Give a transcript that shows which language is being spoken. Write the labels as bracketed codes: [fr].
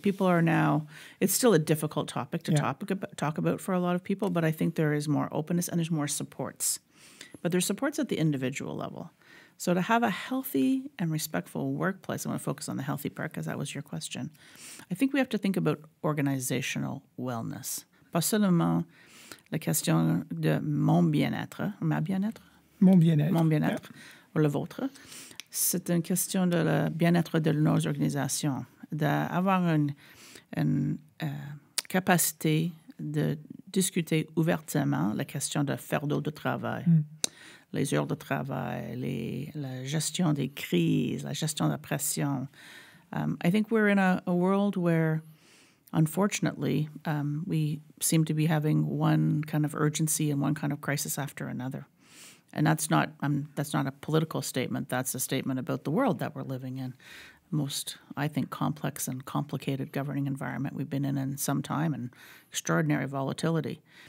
[en] People are now, it's still a difficult topic to talk about for a lot of people, but I think there is more openness and there's more supports. But there's supports at the individual level. So to have a healthy and respectful workplace, I want to focus on the healthy part because that was your question. I think we have to think about organizational wellness. [fr] Pas seulement la question de mon bien-être, [en] yeah. [fr] Ou le vôtre. C'est une question de le bien-être de nos organisations, d'avoir une capacité de discuter ouvertement la question de fardeau de travail, les heures de travail, la gestion des crises, la gestion de la pression. [en] I think we're in a world where, unfortunately, we seem to be having one kind of urgency and one kind of crisis after another. And that's not a political statement. That's a statement about the world that we're living in. Most, I think, complex and complicated governing environment we've been in some time and extraordinary volatility.